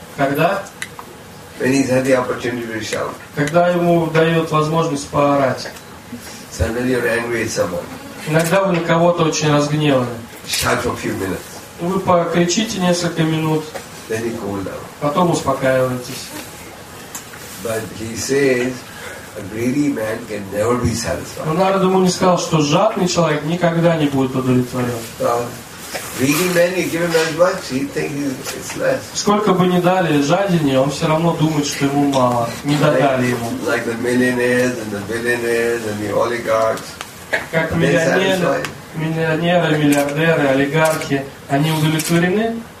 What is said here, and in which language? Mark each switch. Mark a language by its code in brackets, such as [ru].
[ru] Когда? [en] When he's had the opportunity to shout. [ru] Когда ему дают возможность поорать. [en] Suddenly you're angry at someone. [ru] Иногда вы на кого-то очень разгневаны. [en] Shout for a few minutes. [ru] Вы покричите несколько минут, [en] then he cooled down. [ru] Потом успокаиваетесь. [en] But he says, a greedy man can never be satisfied. [ru] Но Нарада Муни сказал, что жадный человек никогда не будет удовлетворен. [en] Greedy man, you give him as much, he thinks it's less. [ru] Сколько бы ни дали жадине, он все равно думает, что ему мало. Не додали ему. [en] Like the millionaires and the billionaires and the oligarchs. [ru] Как миллионеры. Миллионеры, миллиардеры, олигархи, они удовлетворены?